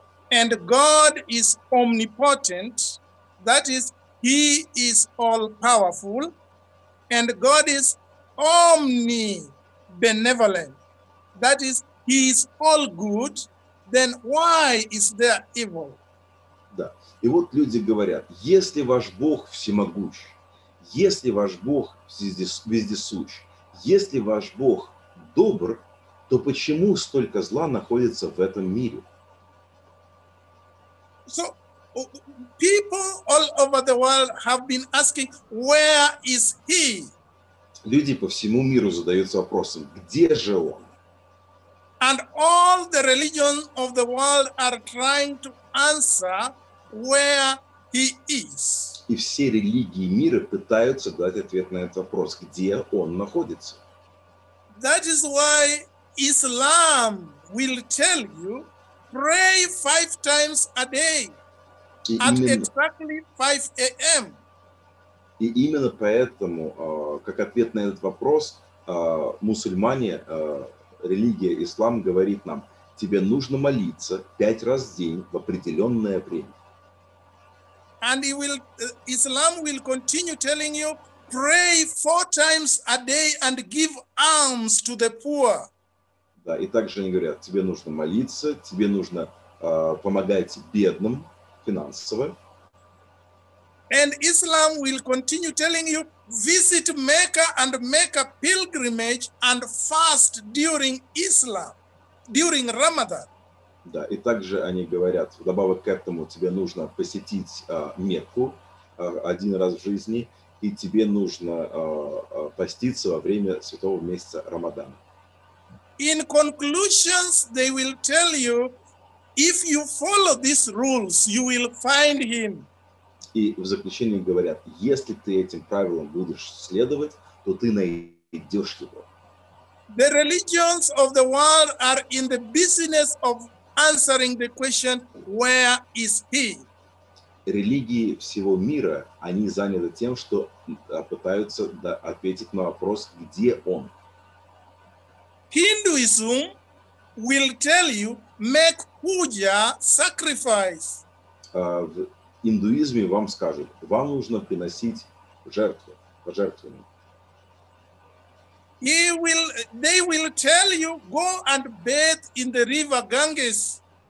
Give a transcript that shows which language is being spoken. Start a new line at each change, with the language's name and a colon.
English: And God is omnipotent, that is, He is all-powerful, and God is omnibenevolent, that is, He is all-good, then why is there evil?
Russian: Да. И вот люди говорят, если ваш Бог всемогущ, если ваш Бог вездесущ, если ваш Бог добр, то почему столько зла находится в этом мире?
English: So, people all over the world have been asking, where is he?
Russian: Люди по всему миру задаются вопросом, где же он?
English: And all the religions of the world are trying to answer, where he is.
Russian: И все религии мира пытаются дать ответ на этот вопрос, где он находится.
English: That is why Islam will tell you, pray 5 times a day at exactly 5 a.m.
Russian: И именно поэтому, как ответ на этот вопрос, мусульмане, религия ислам говорит нам, тебе нужно молиться 5 раз в день в определенное время.
English: And Islam will continue telling you, pray 4 times a day and give alms to the poor.
Russian: Да, и также они говорят, тебе нужно молиться, тебе нужно помогать бедным финансово.
English: And Islam will continue telling you, visit Mecca and make a pilgrimage and fast during Islam, during Ramadan.
Russian: Да, и также они говорят, вдобавок к этому, тебе нужно посетить Мекку один раз в жизни, и тебе нужно поститься во время святого месяца Рамадана.
English: In conclusions, they will tell you, if you follow these rules, you will find him.
Russian: И в заключении говорят, если ты этим правилам будешь следовать, то ты найдешь его.
English: The religions of the world are in the business of answering the question, where is he?
Russian: Религии всего мира, они заняты тем, что пытаются ответить на вопрос, где он.
English: Hinduism will tell you, make puja, sacrifice.
Russian: В индуизме вам скажут, вам нужно приносить жертвы, пожертвования.
English: They will tell you, go and bathe in the river Ganges.